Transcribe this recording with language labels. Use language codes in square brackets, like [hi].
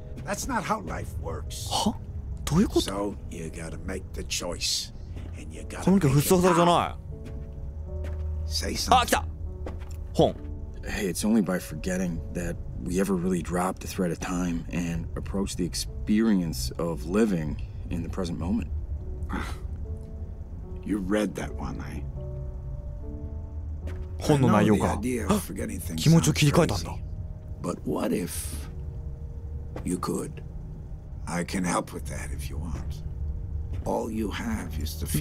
[en] That's not how life works. [ja] は？どういうこと？ [en] So you gotta make the choice, and you gotta. [ja] 髪の毛ふっさふさじゃない。 [en] Say something. [ja] あ、来た。本。 [en] Hey, it's only by forgetting that we ever really drop the thread of time and approach the experience of living in the present moment. You read that one, eh? [ja] 本の内容が気持ちを切り替えたんだ。 [en] But what if you could? I can help with that if you want. All you have is the future.